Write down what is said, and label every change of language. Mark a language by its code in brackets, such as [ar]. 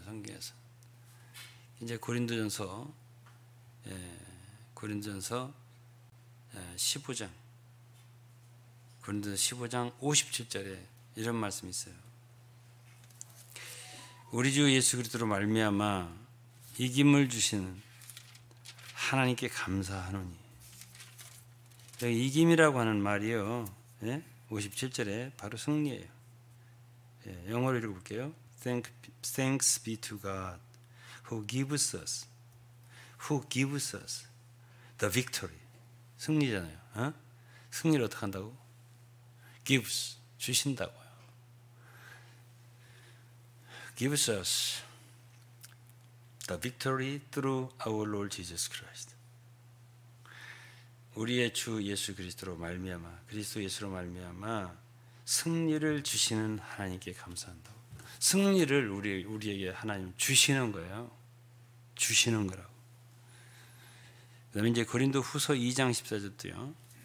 [ko] 성경에서 이제 고린도전서 15장 57절에 이런 말씀이 있어요. 우리 주 예수 그리스도로 말미암아 이김을 주시는 하나님께 감사하노니. 이김이라고 하는 말이요, 예? 57절에 바로 승리예요. 예, 영어로 읽어볼게요. [en] Thanks be to God who gives us the victory. [ko] 승리잖아요. 어? 승리를 어떻게 한다고? [en] Gives, [ko] 주신다고요. [en] Gives us the victory through our Lord Jesus Christ. [ko] 우리의 주 예수 그리스도로 말미암아, 그리스도 예수로 말미암아 승리를 주시는 하나님께 감사한다고. 승리를 우리에게 하나님 주시는 거예요. 주시는 거라고. 그 다음에 이제 고린도 후서 2장 14절도요.